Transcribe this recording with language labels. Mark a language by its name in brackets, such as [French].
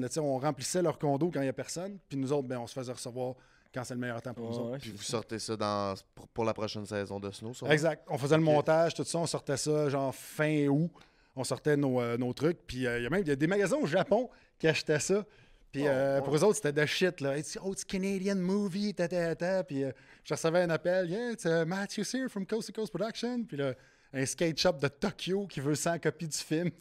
[French] Là, on remplissait leur condo quand il n'y a personne. Puis nous autres, ben, on se faisait recevoir quand c'est le meilleur temps pour nous autres. Puis vous sortez ça pour la prochaine saison de snow, ça? Exact. On faisait le montage, tout ça. On sortait ça genre fin août. On sortait nos trucs. Puis il y a des magasins au Japon qui achetaient ça. Puis pour eux autres, c'était de shit. Là. [English] It's Canadian movie, [French] ta-ta-ta. Puis je recevais un appel. [English] Yeah, it's Matthew's here from Coast to Coast Production. [French] Puis là, un skate shop de Tokyo qui veut 100 copies du film.